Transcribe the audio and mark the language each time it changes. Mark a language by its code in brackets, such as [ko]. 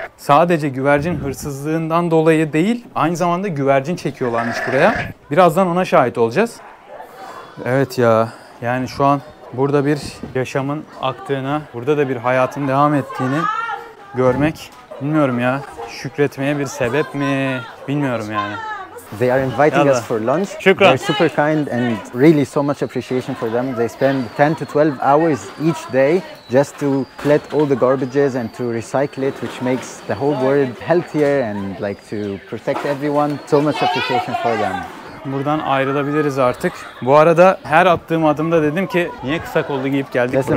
[tr] Sadece güvercin hırsızlığından dolayı değil, aynı zamanda güvercin çekiyorlarmış buraya. Birazdan ona şahit olacağız. Evet ya, yani şu an burada bir yaşamın aktığını, burada da bir hayatın devam ettiğini görmek, bilmiyorum ya, şükretmeye bir sebep mi? Bilmiyorum yani. [en] They are inviting us for lunch. [ar] Şükran. [en] They're super kind and really so much appreciation for them. They spend 10 to 12 hours each day just to collect all the garbages and to recycle it, which makes the whole world healthier and like to protect everyone. So much appreciation for them. [tr] Buradan ayrılabiliriz artık. Bu arada her attığım adımda dedim ki niye kısa kollu giyip geldik buraya?